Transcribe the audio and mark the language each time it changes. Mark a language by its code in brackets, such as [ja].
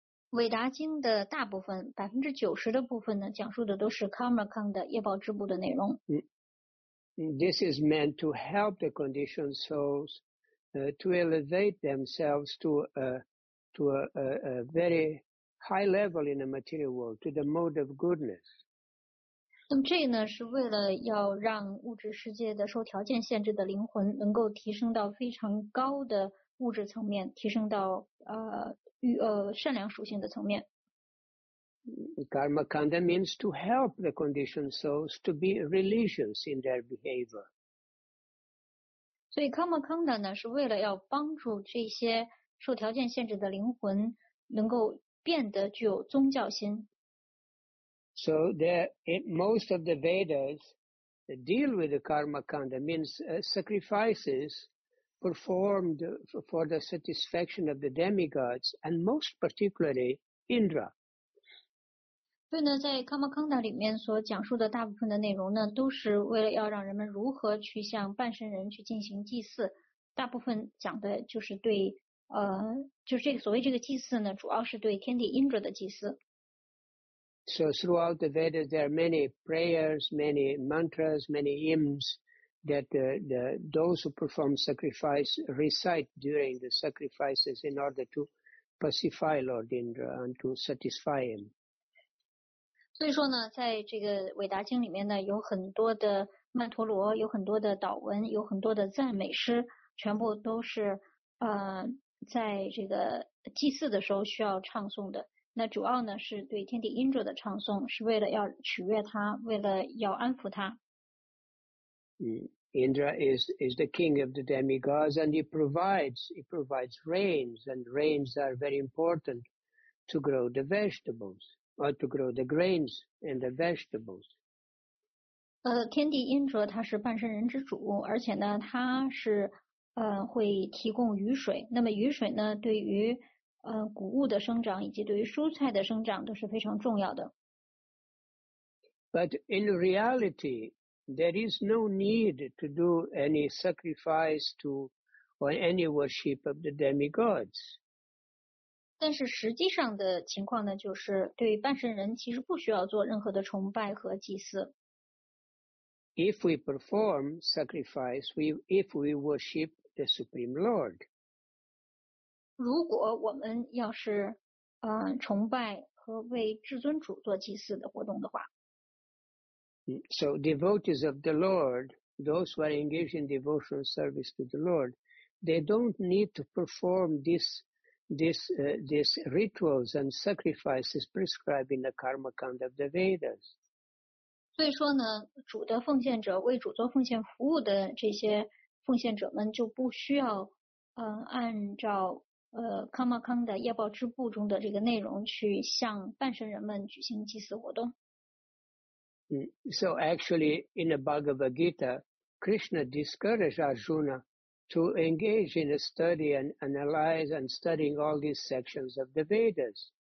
[zh] 伟达经的大部分90%的部分呢，讲述的都是 karma kanda 业报支部的内容。 [en] This is meant to help the conditioned souls to elevate themselves to a very high level in the material world, to the mode of goodness. [zh] 那么这呢是为了要让物质世界的受条件限制的灵魂能够提升到非常高的物质层面，提升到善良属性的层面。 [en] Karma kanda means to help the conditioned souls to be religious in their behavior. [zh] 所以 karma kanda 呢是为了要帮助这些受条件限制的灵魂能够变得具有宗教心。 [en] So most of the Vedas deal with the karma kanda, means sacrifices performed for the satisfaction of the demigods and most particularly Indra. [zh] 所以呢，在《Kamakanda》里面所讲述的大部分的内容呢，都是为了要让人们如何去向半神人去进行祭祀。大部分讲的就是对，就这个所谓这个祭祀呢，主要是对天地Indra的祭祀。 [en] So throughout the Vedas, there are many prayers, many mantras, many hymns that those who perform sacrifice recite during the sacrifices in order to pacify Lord Indra and to satisfy him. [zh] 所以说呢，在这个伟达经里面呢，有很多的曼陀罗，有很多的祷文，有很多的赞美诗，全部都是在这个祭祀的时候需要唱诵的。那主要呢是对天地Indra的唱诵，是为了要取悦他，为了要安抚他。 [en] Indra is the king of the demigods, and he provides rains, and rains are very important to grow the vegetables or to grow the grains and the vegetables. [zh] 天地Indra他是半神人之主，而且呢他是会提供雨水。那么雨水呢对于谷物的生长以及对于蔬菜的生长都是非常重要的。 [en] But in reality, there is no need to do any sacrifice to or any worship of the demigods. [zh] 但是实际上的情况呢，就是对半神人其实不需要做任何的崇拜和祭祀。 [en] If we perform sacrifice, if we worship the Supreme Lord. [zh] 如果我们要是崇拜和为至尊主做祭祀的活动的话。 [en] So devotees of the Lord, those who are engaged in devotional service to the Lord, they don't need to perform these rituals and sacrifices prescribed in the Karma Kanda of the Vedas. [zh] 所以说呢，主的奉献者，为主做奉献服务的这些奉献者们就不需要按照Kama Kanda 业报支部中的这个内容去向半神人们举行祭祀活动。 [en] So actually, in the Bhagavad Gita, Krishna discouraged Arjuna to engage in a study and analyze and studying all these sections of the Vedas.